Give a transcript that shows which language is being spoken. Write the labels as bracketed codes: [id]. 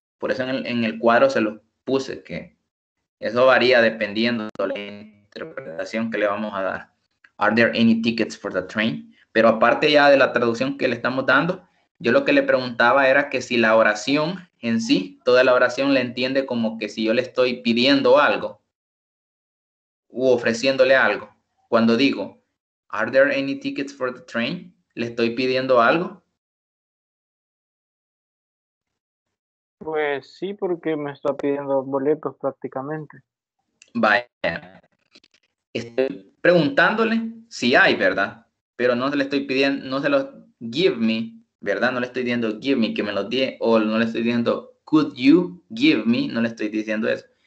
[es] Por eso en el cuadro se los puse, que eso varía dependiendo de la interpretación que le vamos a dar. ¿Are there any tickets for the train? Pero aparte ya de la traducción que le estamos dando, yo lo que le preguntaba era que si la oración en sí, toda la oración la entiende como que si yo le estoy pidiendo algo u ofreciéndole algo. [en] Cuando digo, are there any tickets for the train? [es] ¿Le estoy pidiendo algo? Pues sí, porque me está pidiendo boletos prácticamente. Vaya. Estoy preguntándole si hay, ¿verdad? Pero no se le estoy pidiendo, no se lo give me. ¿Verdad? No le estoy diciendo give me, que me lo die, o no le estoy diciendo could you give me, no le estoy diciendo eso.